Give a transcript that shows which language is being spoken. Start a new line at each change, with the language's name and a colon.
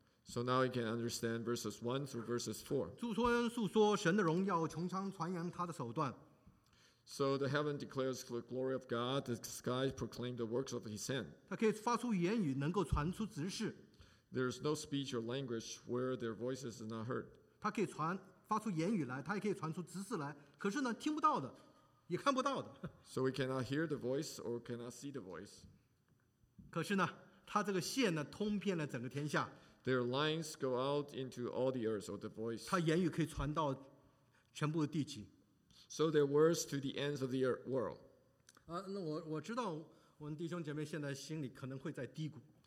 English: So now you can understand verses 1 through verses 4.
Chinese: 诸天述说神的荣耀，穹苍传扬他的手段。
English: So the heaven declares the glory of God, the sky proclaims the works of his hand.
Chinese: 他可以发出言语，能够传出指示。
English: There is no speech or language where their voices are not heard.
Chinese: 他可以传发出言语来，他也可以传出指示来，可是呢，听不到的，也看不到的。
English: So we cannot hear the voice or cannot see the voice.
Chinese: 可是呢，他这个线呢，通遍了整个天下。
English: Their lines go out into all the earth, or the voice.
Chinese: 他言语可以传到全部的地极。
English: So their words to the ends of the earth, world.
Chinese: 那我知道我们弟兄姐妹现在心里可能会在低谷。